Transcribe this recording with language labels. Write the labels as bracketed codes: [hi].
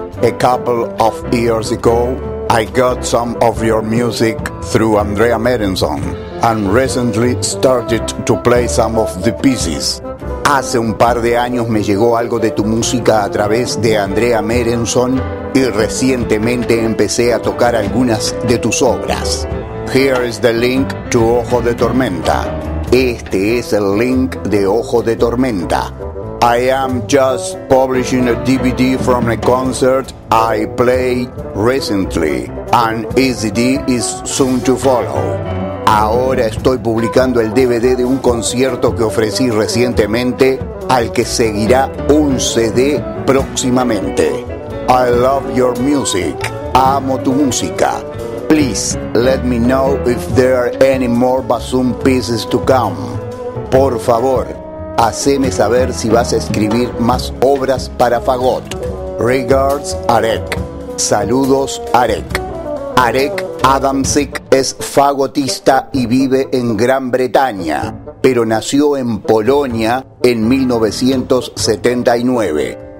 [en] A couple of years ago, I got some of your music through Andrea Merenson and recently started to play some of the pieces. [es] Hace un par de años me llegó algo de tu música a través de Andrea Merenson y recientemente empecé a tocar algunas de tus obras. [en] Here is the link to Ojo de Tormenta. [es] Este es el link de Ojo de Tormenta. [en] I am just publishing a DVD from a concert I played recently, and ECD is soon to follow. [es] Ahora estoy publicando el DVD de un concierto que ofrecí recientemente, al que seguirá un CD próximamente. [en] I love your music. [es] Amo tu música. [en] Please let me know if there are any more bassoon pieces to come. [es] Por favor, haceme saber si vas a escribir más obras para fagot. [en] Regards, Arek. Saludos, Arek. [es] Arek Adamczyk es fagotista y vive en Gran Bretaña, pero nació en Polonia en 1979.